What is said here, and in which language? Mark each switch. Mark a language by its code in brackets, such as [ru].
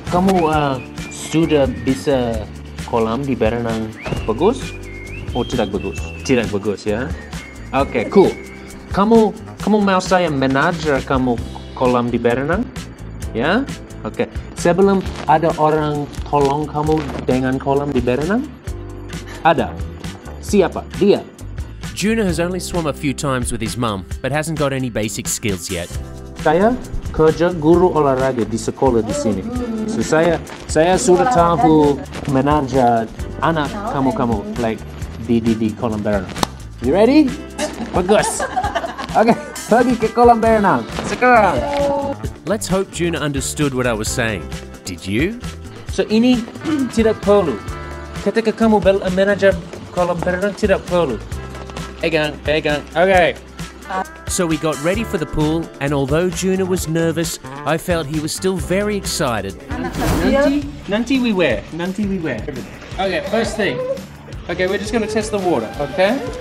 [id] Kamu sudah bisa kolam di berenang bagus? Oh, tidak bagus. Tidak bagus, ya. Yeah? [en] Okay, cool. [id] Kamu mau saya mengajar kamu kolam di berenang? Ya? Yeah? Okay. Sebelum ada orang tolong kamu dengan kolam di berenang? Ada. Siapa? Dia. [en] Juna has only swum a few times with his mum, but hasn't got any basic skills yet. [id] Saya kerja guru olahraga di sekolah di sini. So saya sudah tahu mengajar anak kamu like di kolam berenang. [en] You ready? [id] Bagus. Okay, pergi ke kolam berenang sekarang. [en] Let's hope Juna understood what I was saying. Did you? [id] So ini tidak perlu. Ketika kamu mengajar kolam berenang tidak perlu. Pegang. Okay. [en] So we got ready for the pool, and although Juna was nervous, I felt he was still very excited. Nanti we wear. Okay, first thing. Okay, we're just gonna test the water, okay?